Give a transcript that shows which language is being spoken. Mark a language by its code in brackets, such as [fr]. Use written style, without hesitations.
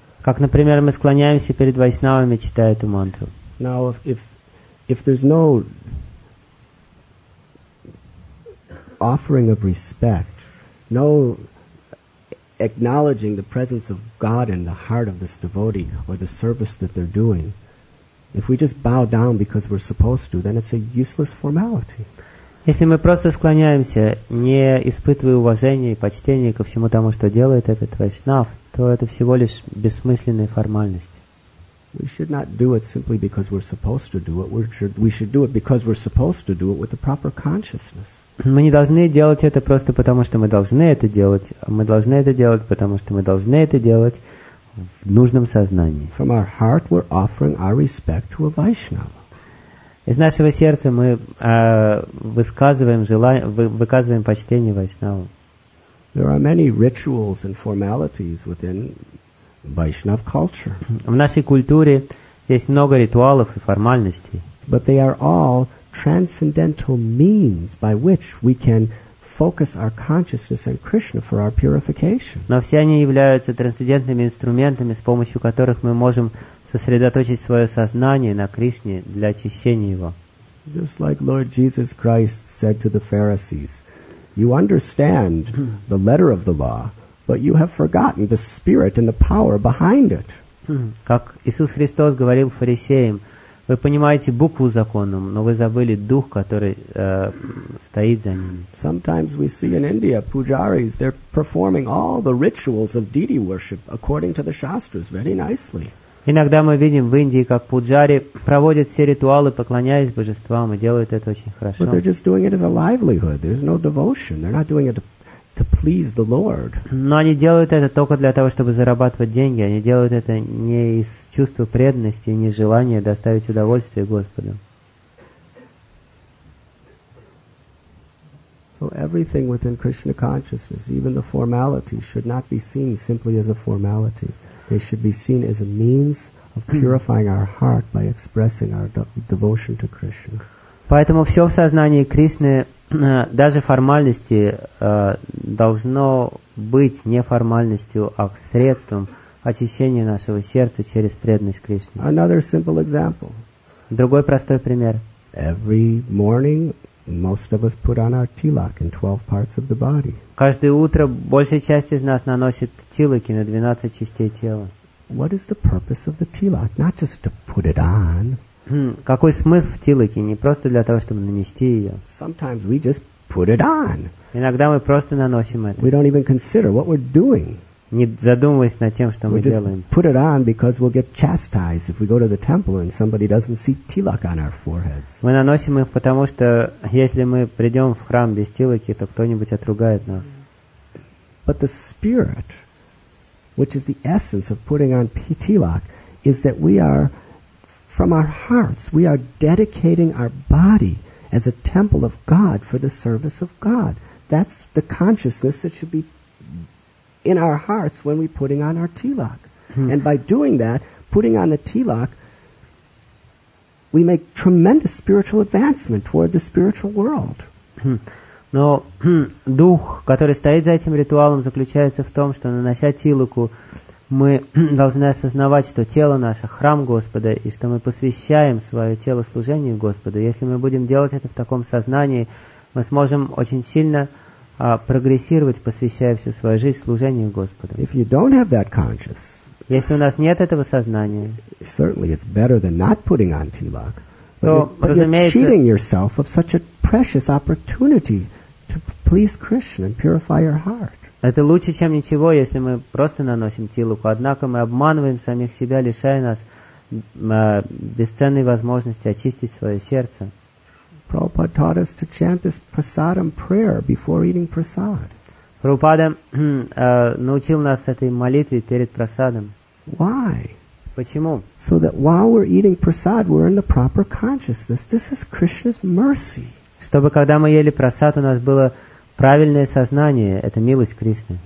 [ru] Как, например, мы склоняемся перед Вайшнавами, читая эту мантру. [en] Now, if there's no offering of respect, no acknowledging the presence of God in the heart of this devotee or the service that they're doing, if we just bow down because we're supposed to, then it's a useless formality. [ru] Если мы просто склоняемся, не испытывая уважения и почтения ко всему тому, что делает этот вайшнав, то это всего лишь бессмысленная формальность. [en] We should not do it simply because we're supposed to do it. We should do it because we're supposed to do it with the proper consciousness. [ru] Мы не должны делать это просто потому, что мы должны это делать. Мы должны это делать, потому что мы должны это делать в нужном сознании. [en] From our heart we're offering our respect to a Vaishnava. [ru] Из нашего сердца мы выказываем почтение Вайшнаву. [en] There are many rituals and formalities within Vaishnav culture. [ru] В нашей культуре есть много ритуалов и формальностей. [en] But they are all transcendental means by which we can focus our consciousness on Krishna for our purification. [ru] Но все они являются трансцендентными инструментами, с помощью которых мы можем сосредоточить свое сознание на Кришне для очищения его. [en] Just like Lord Jesus Christ said to the Pharisees, "You understand the letter of the law, but you have forgotten the spirit and the power behind it." [ru] Как Иисус Христос говорил фарисеям: вы понимаете букву закона, но вы забыли дух, который стоит за ним. [en] Sometimes we see in India pujaris, they're performing all the rituals of deity worship according to the shastras very nicely. [ru] Иногда мы видим в Индии, как пуджари проводят все ритуалы, поклоняясь божествам, и делают это очень хорошо. [en] But they're just doing it as a livelihood. There's no devotion. They're not doing it to please the Lord. [ru] Но они делают это только для того, чтобы зарабатывать деньги. Они делают это не из чувства преданности и не из желания доставить удовольствие Господу. [en] So everything within Krishna consciousness, even the formalities, should not be seen simply as a formality. They should be seen as a means of purifying our heart by expressing our devotion to Krishna. [ru] Поэтому все в сознании Кришны, даже формальности, должно быть не формальностью, а средством очищения нашего сердца через преданность Кришне. [en] Another simple example. [ru] Другой простой пример. [en] Every morning, most of us put on our tilak in 12 parts of the body. [ru] Каждое утро большая часть из нас наносит тилаки на 12 частей тела. [en] What is the purpose of the tilak? Not just to put it on. [ru] Какой смысл в тилаке? Не просто для того, чтобы нанести ее. [en] Sometimes we just put it on. [ru] Иногда мы просто наносим это. [en] We don't even consider what we're doing. [ru] Не задумываясь над тем, что мы делаем. [en] We just put it on because we'll get chastised if we go to the temple and somebody doesn't see tilak on our foreheads. [ru] Мы наносим их, потому что если мы придем в храм без тилаки, то кто-нибудь отругает нас. [en] But the spirit, which is the essence of putting on tilak, is that we are from our hearts, we are dedicating our body as a temple of God for the service of God. That's the consciousness that should be in our hearts when we're putting on our tilak. And by doing that, putting on the tilak, we make tremendous spiritual advancement toward the spiritual world. [ru] Но дух, который стоит за этим ритуалом, заключается в том, что нанося тилаку, мы должны осознавать, что тело наше – храм Господа, и что мы посвящаем свое тело служению Господу. Если мы будем делать это в таком сознании, мы сможем очень сильно прогрессировать, посвящая всю свою жизнь служению Господу. [en] If you don't have that conscious, [ru] если у нас нет этого сознания, [en] certainly it's better than not putting on tilak, [ru] то, разумеется, [en] you're cheating yourself of such a precious opportunity to please Krishna and purify your heart. [ru] Это лучше, чем ничего, если мы просто наносим тилаку. Однако мы обманываем самих себя, лишая нас бесценной возможности очистить свое сердце. [en] Prabhupada taught us to chant this prasadam prayer before eating prasad. [ru] Prabhupada научил нас этой молитве перед прасадом. [en] Why? [ru] Почему? [en] So that while we're eating prasad, we're in the proper consciousness. This is Krishna's mercy. [ru] Чтобы когда мы ели прасад, у нас было правильное сознание – это милость Кришны.